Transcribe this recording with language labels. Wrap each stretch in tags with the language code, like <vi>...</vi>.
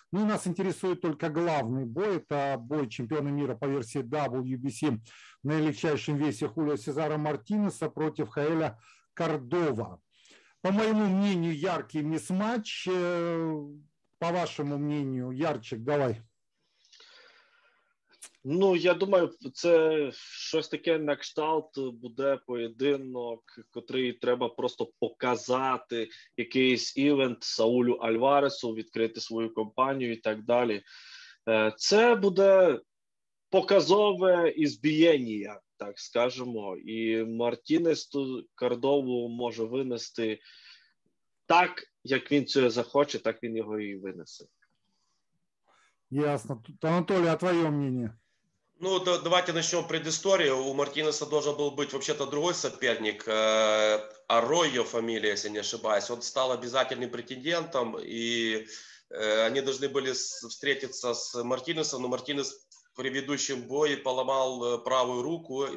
<ru>Ну и нас интересует только главный бой. Это бой чемпиона мира по версии WBC на легчайшем весе Хулио Сезара Мартинеса против Хаэля Кордова. По моему мнению, яркий мисс-матч. По вашему мнению, Ярчик, давай.</ru> <uk>Ну, я думаю, це щось таке на кшталт буде поєдинок, котрий треба просто показати якийсь івент Саулю Альваресу, відкрити свою компанію і так далі. Це буде показове ізбієння, так скажемо. І Мартінес Кордову може винести... Так, як він це захоче, так він його і винесе. Ясно. Тут, Анатолій, а твоє мнение?</uk> <ru>Ну, давайте начнем предысторию. У Мартинеса должен был быть вообще-то другой соперник. Аройо фамилия, если не ошибаюсь. Он стал обязательным претендентом. И они должны были встретиться с Мартинесом. Но Мартинес при ведущем бою поломал правую руку.</ru>